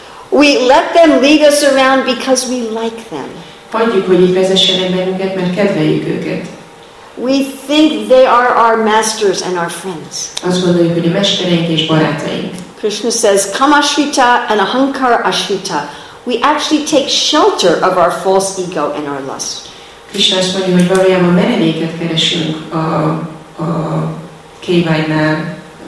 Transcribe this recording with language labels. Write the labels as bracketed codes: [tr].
[en] We let them lead us around because we like them. [hu] Hagyjuk, hogy így vezessenek bennünket, mert kedveljük őket. [en] We think they are our masters and our friends. [hu] Azt gondoljuk, hogy a mestereink és barátaink. [en] Krishna says, kamashrita and ahankar ashrita. We actually take shelter of our false ego and our lust. [hu] Krishna azt mondja, hogy valójában menedéket keresünk a kéványnál.